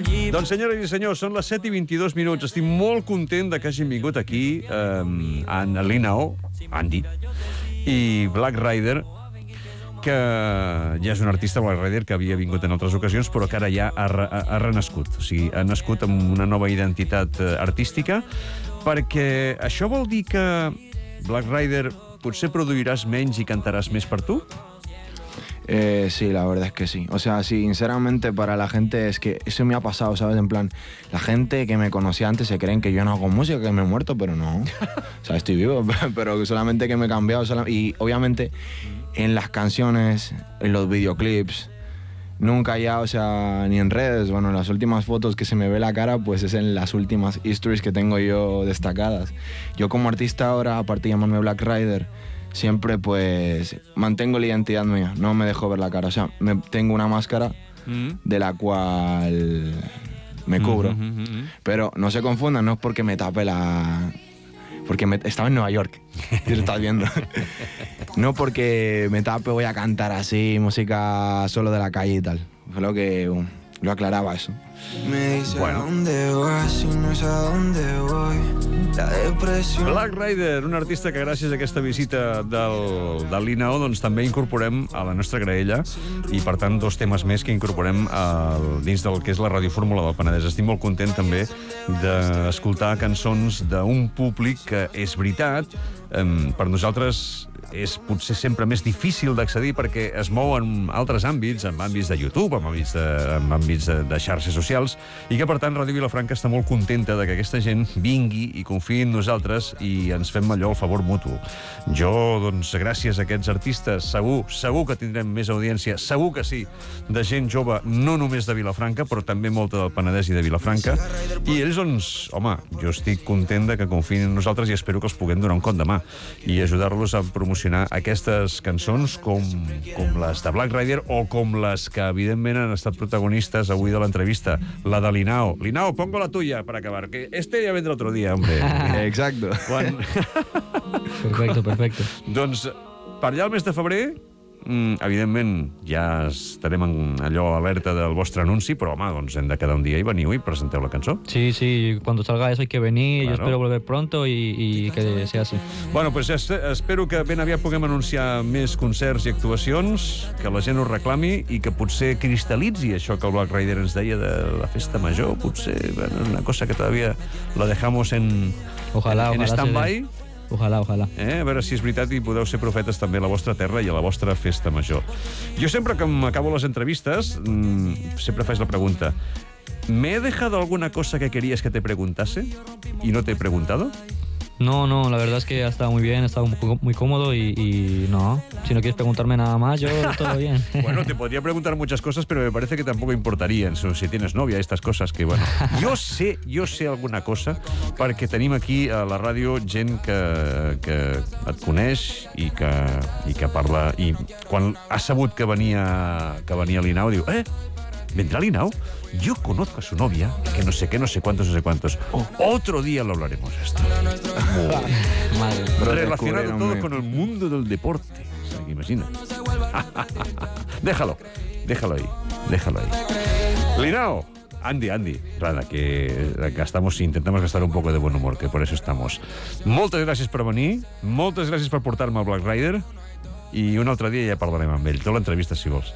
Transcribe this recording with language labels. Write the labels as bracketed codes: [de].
[ca] Doncs senyores i senyors, són les 7 i 22 minuts. Estic molt content que hagin vingut aquí a Linao, Andy, i Black Raider, que ja és un artista, Black Raider, que havia vingut en altres ocasions, però que ara ja ha renascut. O sigui, ha nascut amb una nova identitat artística, perquè això vol dir que, Black Raider, potser produiràs menys i cantaràs més per tu? [es] Sí, la verdad es que sí. O sea, sí, sinceramente, para la gente es que eso me ha pasado, ¿sabes? En plan, la gente que me conocía antes se creen que yo no hago música, que me he muerto, pero no. O sea, estoy vivo, pero solamente que me he cambiado. Y obviamente... En las canciones, en los videoclips, nunca ya, o sea, ni en redes. Bueno, las últimas fotos que se me ve la cara, pues es en las últimas stories que tengo yo destacadas. Yo como artista ahora, aparte de llamarme Black Raider, siempre pues mantengo la identidad mía. No me dejo ver la cara. O sea, tengo una máscara de la cual me cubro. Pero no se confundan, no es porque me tape la... Porque estaba en Nueva York, si lo estás viendo. No porque me tape voy a cantar así, música solo de la calle y tal. Solo que lo aclaraba eso. Me dice bueno. ¿Dónde vas si no es a dónde voy? La depresión... [ca] Black Raider, un artista que gràcies a aquesta visita del Linao, doncs també incorporem a la nostra graella i, per tant, dos temes més que incorporem dins del que és la radiofórmula del Penedès. Estic molt content també d'escoltar cançons d'un públic que és veritat. Per nosaltres és potser sempre més difícil d'accedir perquè es mou en altres àmbits, en àmbits de YouTube, en àmbits de xarxes socials, i que, per tant, Ràdio Vilafranca està molt contenta de que aquesta gent vingui i confiï en nosaltres i ens fem allò el favor mutu. Jo, doncs, gràcies a aquests artistes, segur que tindrem més audiència, segur que sí, de gent jove, no només de Vilafranca, però també molta del Penedès i de Vilafranca, i ells, doncs, home, jo estic content de que confiïn en nosaltres i espero que els puguem donar un cop de mà i ajudar-los a promocionar aquestes cançons com les de Black Rider o com les que, evidentment, han estat protagonistes avui de l'entrevista, la de Linao. [es] Linao, pongo la tuya [ca] per acabar, [es] que este ya vendrá otro día, hombre. Exacto. Quan... perfecto, perfecto. [ca] Doncs, per allà el mes de febrer, evidentment, ja estarem en allò alerta del vostre anunci, però, home, doncs hem de quedar un dia i veniu i presenteu la cançó. [es] Sí, sí, cuando salga eso hay que venir, claro. Yo espero volver pronto y que sea así. [ca] Bueno, pues espero que ben aviat puguem anunciar més concerts i actuacions, que la gent ho reclami i que potser cristal·litzi això que el Black Rider ens deia de la Festa Major, potser una cosa que [es] todavía la dejamos en... Ojalá en stand-by. Ojalá. [ca] A veure si és veritat i podeu ser profetes també a la vostra terra i a la vostra Festa Major. Jo sempre que m'acabo les entrevistes, sempre faig la pregunta: [es] ¿m'he dejado alguna cosa que querías que te preguntase y no te he preguntado? No, la verdad es que ha estado muy bien, ha estado muy cómodo y no. Si no quieres preguntarme nada más, yo todo bien. Bueno, te podría preguntar muchas cosas, pero me parece que tampoco importarían si tienes novia, estas cosas que, bueno... Yo sé alguna cosa, [ca] perquè tenim aquí a la ràdio gent que et coneix i que parla... I quan ha sabut que venia Linao, diu... [es] ¿Vendrá Linao? Yo conozco a su novia, que no sé qué, no sé cuántos, no sé cuántos. Otro día lo hablaremos esto. Relacionado todo con el mundo del deporte. Imagina. Déjalo ahí. Linao. Andy, Rada, que intentamos gastar un poco de buen humor, que por eso estamos. [ca] Moltes gràcies per venir, moltes gràcies per portar-me al Black Rider. I un altre dia ja parlarem amb ell. Tot l'entrevista, si vols.